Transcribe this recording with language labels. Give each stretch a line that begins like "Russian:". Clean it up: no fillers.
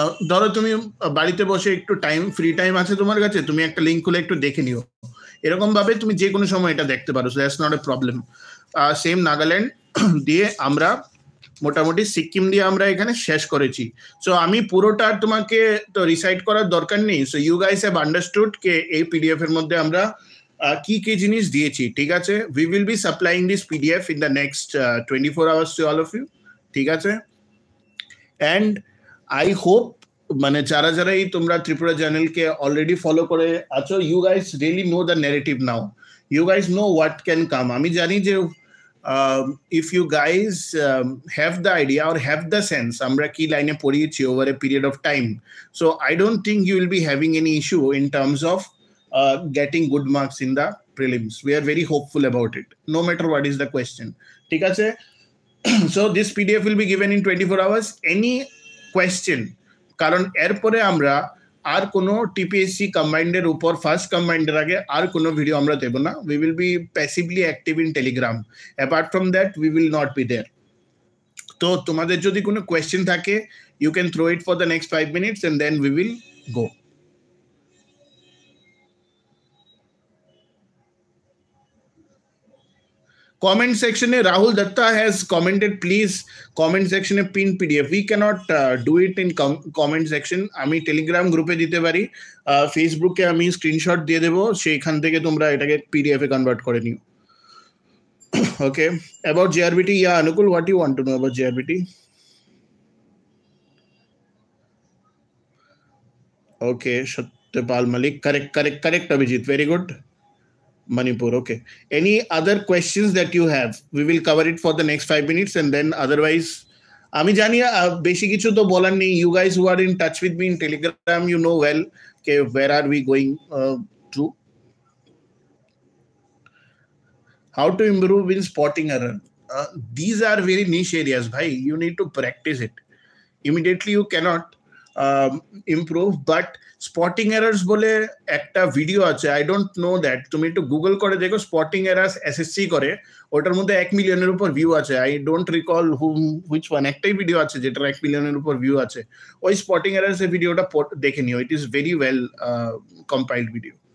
Bangla: ধরো তুমি বাড়িতে বসে একটু টাইম ফ্রি টাইম আছে তোমার কাছে তুমি একটা লিঙ্কগুলো একটু দেখে নিও এরকমভাবে তুমি যে কোনো সময় এটা দেখতে পারো
English: so that's not a problem
Bangla: same Nagaland দিয়ে আমরা মোটামুটি সিকিম দিয়ে আমরা এখানে শেষ করেছি সো আমি পুরোটা তোমাকে তো রিসাইট করার দরকার নেই
English: so you guys have understood
Bangla: কে এই পিডিএফ এর মধ্যে আমরা কি কি জিনিস দিয়েছি ঠিক আছে
English: we will be supplying this PDF in the next 24 hours to all of you
Bangla: ঠিক আছে
English: and I hope
Bangla: মানে যারা যারাই তোমরা ত্রিপুরা জার্নালকে অলরেডি ফলো করে আছো
English: you guys really know the narrative now you guys know what can come
Bangla: আমি জানি যে
English: If you guys have the idea or have the sense,
Bangla: amra ki line e poriyechi
English: over a period of time. So I don't think you will be having any issue in terms of getting good marks in the prelims. We are very hopeful about it, no matter what is the question.
Bangla: Thik ache?
English: So this PDF will be given in 24 hours. Any question,
Bangla: karon er pore amra আর কোনো TPSC combined এর উপর first combined এর আগে আর কোনো video আমরা দেব না.
English: We will be passively active in Telegram, apart from that we will not be there.
Bangla: তো তোমাদের যদি কোনো কোয়েশ্চেন থাকে,
English: You can throw it for the next 5 minutes and then we will go. Comment সেকশনে Rahul Datta has commented, please comment সেকশনে pin PDF. We cannot do it in comment section.
Bangla: আমি Telegram গ্রুপে দিতে পারি, ফেসবুকে আমি স্ক্রিনশট দিয়ে দেবো, সেইখান থেকে তোমরা এটাকে পিডিএফে কনভার্ট করে নিও.
English: Okay, about JRBT, yeah Anukul, what you want to know about JRBT? Okay, Satyapal Malik, correct correct correct, Abhijit, very good, Manipur. Okay, any other questions that you have, we will cover it for the next 5 minutes and then otherwise
Bangla: ami jani beshi kichu to bolan nei.
English: You guys who are in touch with me in Telegram, you know well ke where are we going to. How to improve in spotting error? These are very niche areas bhai, you need to practice it. Immediately you cannot improve, but spotting errors
Bangla: বলে একটা video আছে,
English: I don't know that,
Bangla: তুমি একটু Google করে দেখো, spotting errors SSC করে, ওটার মধ্যে 1 মিলিয়নের উপর ভিউ আছে.
English: I don't recall which one,
Bangla: একটাই ভিডিও আছে যেটার 1 মিলিয়নের উপর ভিউ আছে, ওই স্পটিং এরার্স এর ভিডিওটা দেখে নিও,
English: It is very well compiled video.